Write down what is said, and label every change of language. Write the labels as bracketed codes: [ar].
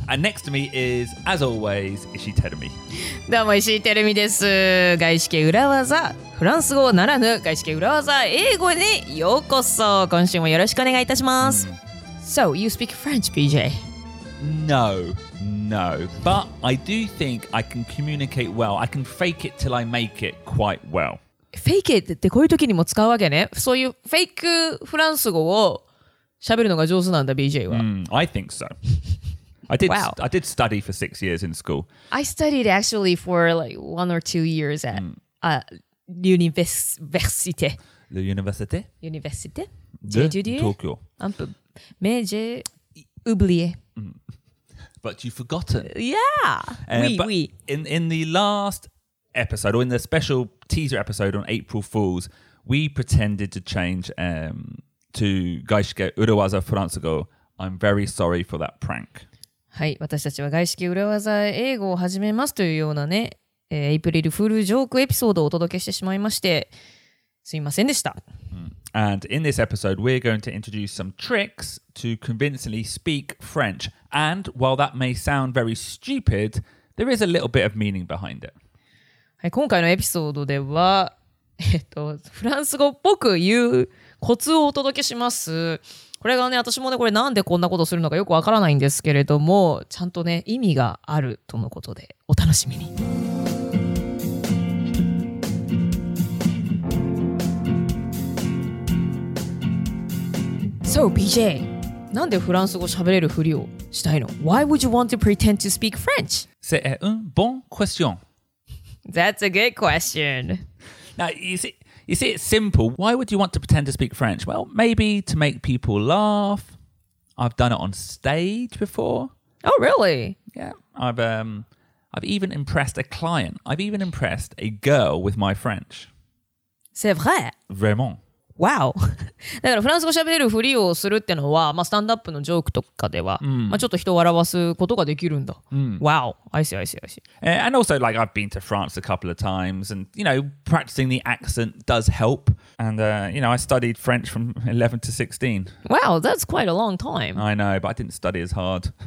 [en] And next to me is, as always, Ishii Terumi. [ja] どうも、石井テルミです。外資系裏技、フランス語ならぬ外資系裏技、英語にようこそ。今週もよろしくお願いいたします。 [en] So, you speak French, BJ? No, no. But I do think I can communicate well. I can fake it till I make it quite well. Fake it [ja] ってこういう時にも使うわけね。そういうフェイクフランス語を喋るのが上手なんだ、BJ は。 [en] I think so. I did study for 6 years in school. I studied actually for like 1 or 2 years at l'université. [fr] L'université? Université. De Tokyo. Mais j'ai oublié. [en] But you've forgotten. Yeah. [fr] Oui. [en] In the last episode, or in the special teaser episode on April Fools, we pretended to change to Gaishke Urawaza Furansugo. I'm very sorry for that prank. [ja] はい、私たちは外資系裏技英語を始めますというようなね、エイプリルフールジョークエピソードをお届けしてしまいましてすいませんでした。 [en] And in this episode, we're going to introduce some tricks to convincingly speak French. And while that may sound very stupid, there is a little bit of meaning behind it. [ja] はい、今回のエピソードでは、フランス語っぽく言うコツをお届けします。これがね、私もね、これなんでこんなことするのかよくわからないんですけれども、ちゃんとね、意味があるとのことで、お楽しみに。 [en] So, BJ, [ja] なんでフランス語喋れるふりをしたいの? [en] Why would you want to pretend to speak French? [fr] C'est une bonne question. [en] That's a good question. Now, you see... You see, it's simple. Why would you want to pretend to speak French? Well, maybe to make people laugh. I've done it on stage before. Oh, really? Yeah. I've even impressed a client. I've even impressed a girl with my French. [fr] C'est vrai? Vraiment. [en] Wow. [ja] だからフランス語喋れるふりをするってのは、まあ、スタンドアップのジョークとかでは、まあ、ちょっと人を笑わすことができるんだ。 [en] Wow. I see. And also, like, I've been to France a couple of times, and, you know, practicing the accent does help. And, you know, I studied French from 11 to 16. Wow, that's quite a long time. I know, but I didn't study as hard.